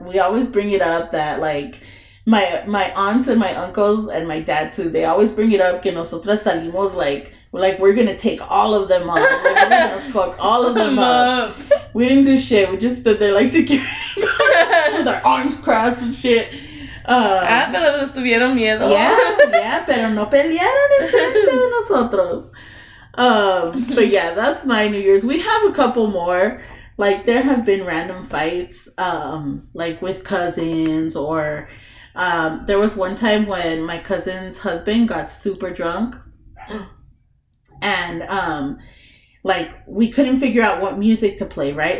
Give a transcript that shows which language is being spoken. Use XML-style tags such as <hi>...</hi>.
<en>We always bring it up that, like, my aunts and my uncles and my dad too, they always bring it up</en> <es>que nosotras salimos,</es> <en>like we're gonna take all of them up. Like, we're gonna fuck all of them up. We didn't do shit. We just stood there like security guards with our arms crossed and shit.</en> <es>Pero les tuvieron miedo. Yeah, pero no pelearon en frente de nosotros.</es> <en>But yeah, that's my New Year's. We have a couple more. Like, there have been random fights, like, with cousins, or there was one time when my cousin's husband got super drunk, and like, we couldn't figure out what music to play, right?</en>